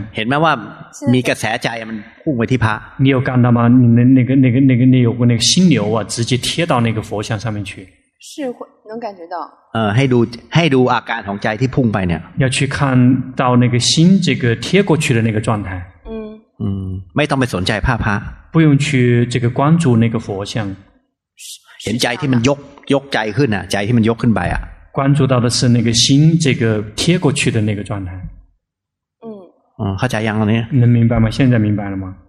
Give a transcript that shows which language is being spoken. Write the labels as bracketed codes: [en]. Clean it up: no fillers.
[th] เห็นไหมว่ามีกระแสใจมันพุ่งไปที่พระ [zh] 你有感到吗你那个你有过那个心流啊直接贴到那个佛像上面去是能感觉到 [th] ให้ดูอาการของใจที่พุ่งไปเนี่ย [zh] 要去看到那个心这个贴过去的那个状态 [th] ไม่ต้องไปสนใจพระ [zh] 不用去这个关注那个佛像 [th] เห็นใจที่มันยกใจขึ้นอ่ะใจที่มันยกขึ้นไปอ่ะ [zh] 关注到的是那个心这个贴过去的那个状态嗯 [th] เข้าใจยังตอนนี้ [zh] 能明白吗现在明白了吗